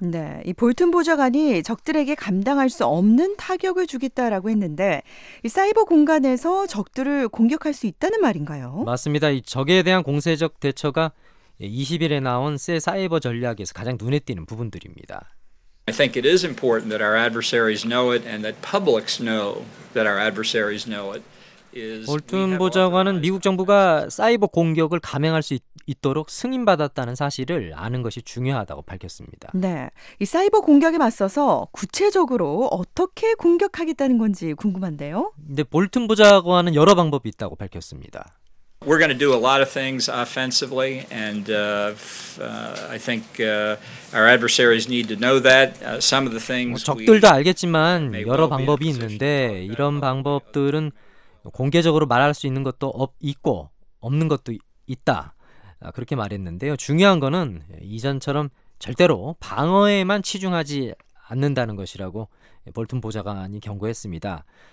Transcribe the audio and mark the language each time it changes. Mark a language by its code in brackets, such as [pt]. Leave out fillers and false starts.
[ko] 네, 이 볼튼 보좌관이 적들에게 감당할 수 없는 타격을 주겠다라고 했는데 이 사이버 공간에서 적들을 공격할 수 있다는 말인가요? 맞습니다. 이 적에 대한 공세적 대처가 20일에 나온 새 사이버 전략에서 가장 눈에 띄는 부분들입니다. [en] I think it is important that our adversaries know it and that publics know that our adversaries know it. [ko] 볼튼 보좌관은 미국 정부가 사이버 공격을 감행할 수 있도록 승인받았다는 사실을 아는 것이 중요하다고 밝혔습니다. 네, 이 사이버 공격에 맞서서 구체적으로 어떻게 공격하겠다는 건지 궁금한데요. 근데 볼튼 보좌관은 여러 방법이 있다고 밝혔습니다. [en] We're going to do a lot of things offensively, and I think our adversaries need to know that. Some of the things. [ko] 적들도 알겠지만 여러 방법이 있는데 이런 방법들은 공개적으로 말할 수 있는 것도 있고 없는 것도 있다 그렇게 말했는데요. 중요한 거는 이전처럼 절대로 방어에만 치중하지 않는다는 것이라고 볼튼 보좌관이 경고했습니다.